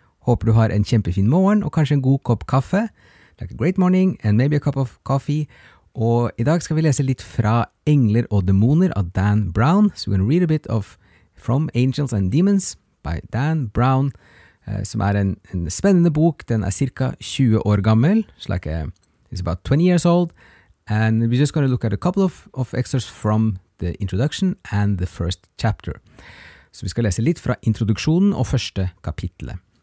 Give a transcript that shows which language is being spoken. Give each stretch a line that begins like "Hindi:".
Norwegian: Håper du har en kjempefin morgen og kanskje en god kopp kaffe.
English: Like a great morning and maybe a cup of coffee.
Norwegian: Og I dag skal vi lese litt fra Engler og Dæmoner av Dan Brown.
English: So we're going to read a bit of From Angels and Demons by Dan Brown,
Norwegian: som en spennende bok. Den cirka 20 år gammel.
English: It's like it's about 20 years old. And we're just going to look at a couple of excerpts from the introduction and the first chapter.
Norwegian: Så vi skal lese litt fra introduksjonen og første kapittelet.